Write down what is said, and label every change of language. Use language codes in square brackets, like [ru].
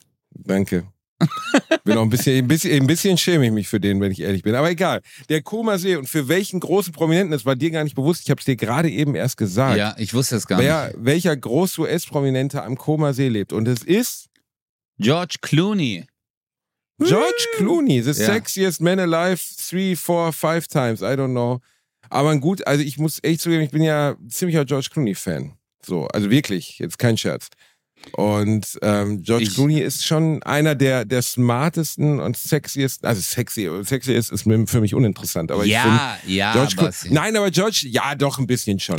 [de] Danke. Bin auch ein bisschen schäme ich mich für den, wenn ich ehrlich bin. Aber egal, der Comasee und für welchen großen Prominenten, das war dir gar nicht bewusst, ich habe es dir gerade eben erst gesagt. Ja, ich wusste es gar nicht. Welcher Groß-US-Prominente am Comasee lebt und es ist... George Clooney. [en] George Clooney, the sexiest man alive 3, 4, 5 times, I don't know. [de] Aber gut, also ich muss echt zugeben, ich bin ja ziemlicher George Clooney-Fan. So, also wirklich, jetzt kein Scherz. Und George Clooney ist schon einer der smartesten und sexiesten, also sexy ist für mich uninteressant, aber ja, ich finde ja, George Clooney, nein, aber George, ja doch ein bisschen schon.